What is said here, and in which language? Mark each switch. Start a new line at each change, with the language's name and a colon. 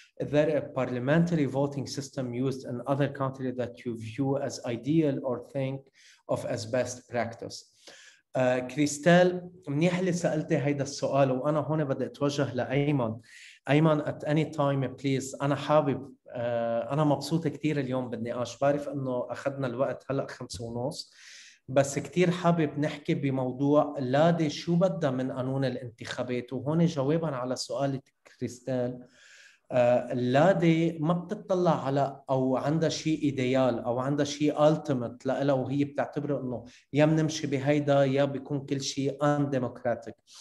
English: Is there a parliamentary voting system used in other countries that you view as ideal or think of as best practice?
Arabic: كريستال منيح اللي سألتي هيدا السؤال، وانا هون بدي اتوجه لأيمن.
English: Ayman at any time please.
Arabic: أنا حابب أنا مبسوطة كتير اليوم بالنقاش، بعرف أنه أخذنا الوقت هلأ 5:30، بس كتير حابب نحكي بموضوع لادي شو بدها من قانون الانتخابات. وهون جوابا على سؤال كريستال، لادي ما بتطلع على أو عندها شيء إيديال أو عندها شيء ألتمت لإلها، وهي بتعتبره أنه يا بنمشي بهيدا يا بيكون كل شيء أن ديموكراتيك.